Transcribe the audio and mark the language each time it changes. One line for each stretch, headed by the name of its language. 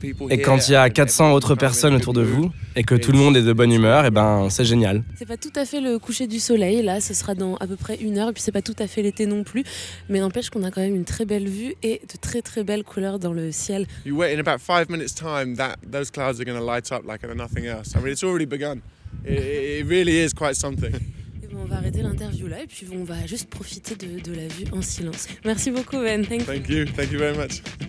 French: Et quand il y a 400 autres personnes autour de vous et que tout le monde est de bonne humeur, et ben c'est génial. C'est pas tout à fait le coucher du soleil là, ce sera dans à peu près une heure, et puis c'est pas tout à fait l'été non plus, mais n'empêche qu'on a quand même une très belle vue et de très très belles couleurs dans le ciel.
English: You wait in about 5 minutes time that those clouds are going to light up like nothing else. I mean it's already begun. It really is quite something.
French: On va arrêter l'interview là et puis on va juste profiter de la vue en silence. Merci beaucoup Ben.
English: Thank you very much.